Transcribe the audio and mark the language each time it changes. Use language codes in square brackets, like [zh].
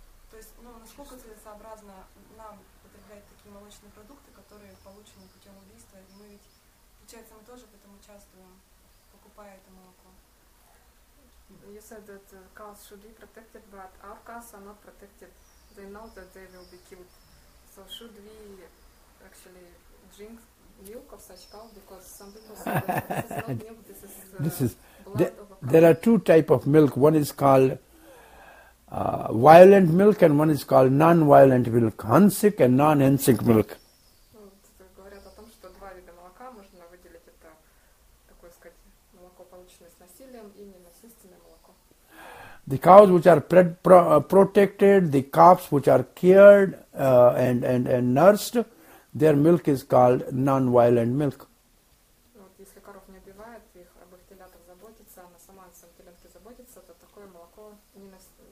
[ru] Целесообразно нам потреблять такие молочные продукты, которые получены путем убийства, и мы ведь, получается, мы тоже в этом участвуем, покупая это молоко. [en] You said that cows should be protected, but our cows are not protected. They know that they will be killed. So should we actually drink milk of such cow? Because some people say that this is blood of a cow. There are two type of milk. One is called violent milk, and one is called non-violent milk, hansik and non-hansik milk. [ru] Говорят о том, что два вида молока можно выделить, это такое сказать, молоко полученное с насилием и ненасильственное молоко. [en] The cows which are protected, the calves which are cared and nursed, their milk is called non-violent milk. [ru] Если коров не убивают, их об их телятах заботится, она сама о своем теленке заботится, то такое молоко ненасильственное.